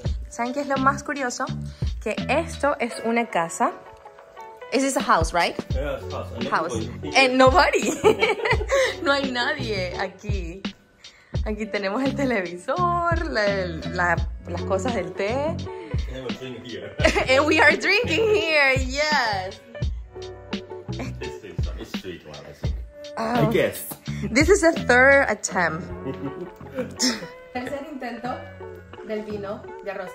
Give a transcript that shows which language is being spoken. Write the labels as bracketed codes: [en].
[es] ¿Saben qué es lo más curioso? Que esto es una casa. [en] Is this a house, right? Yeah, it's a house. And nobody. [es] No hay nadie aquí. Aquí tenemos el televisor, las cosas del té. [en] And And we are drinking here, yes. This is a street one, I think. I guess. This is a third attempt. [es] Tercer intento del vino de arroz.